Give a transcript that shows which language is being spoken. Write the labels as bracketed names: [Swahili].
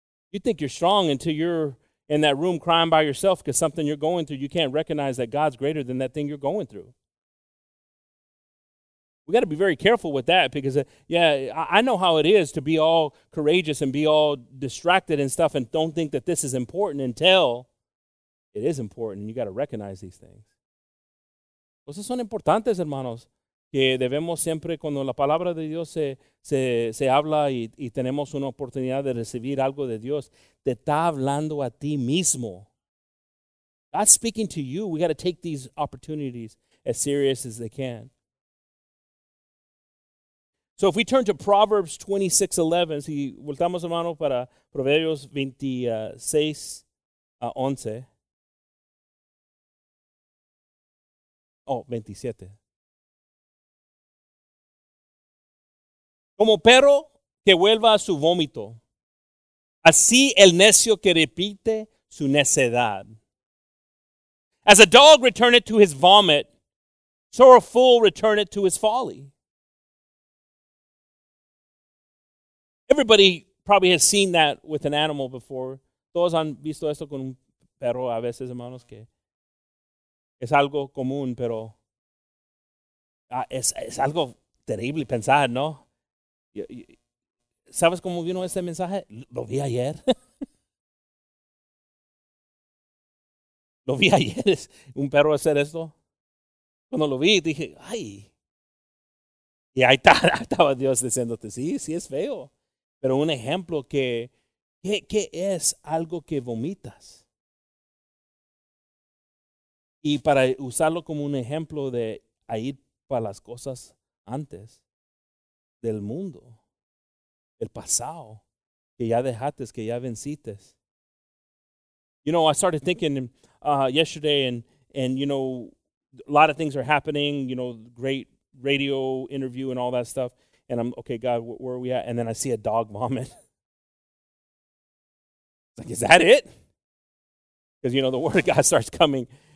[English] You think you're strong until you're in that room crying by yourself because something you're going through, you can't recognize that God's greater than that thing you're going through. We got to be very careful with that because, yeah, I know how it is to be all courageous and be all distracted and stuff and don't think that this is important until it is important. And you got to recognize these things. [Spanish] Cosas son importantes, hermanos, que debemos siempre, cuando la palabra de Dios se habla y tenemos una oportunidad de recibir algo de Dios, te está hablando a ti mismo. [English] God's speaking to you. We got to take these opportunities as serious as they can. So if we turn to Proverbs 26:11, [Spanish] si voltamos a mano para Proverbios 26:11, [English] Oh, 27. [Spanish] Como perro que vuelva a su vómito, así el necio que repite su necedad. [English] As a dog returneth to his vomit, so a fool returneth to his folly. Everybody probably has seen that with an animal before. [Spanish] Todos han visto esto con un perro a veces, hermanos, que es algo común, pero es algo terrible pensar, ¿no? ¿Sabes cómo vino este mensaje? Lo vi ayer. Lo vi ayer, un perro hacer esto. Cuando lo vi, dije, ¡ay! Y ahí estaba Dios diciéndote, sí, sí es feo. Pero un ejemplo, ¿qué es algo que vomitas? Y para usarlo como un ejemplo de a ir para las cosas antes del mundo, el pasado, que ya dejaste, que ya venciste. [English] You know, I started thinking yesterday, and you know, a lot of things are happening, you know, great radio interview and all that stuff. And I'm, okay, God, where are we at? And then I see a dog vomit. It's like, is that it? Because, you know, the word of God starts coming.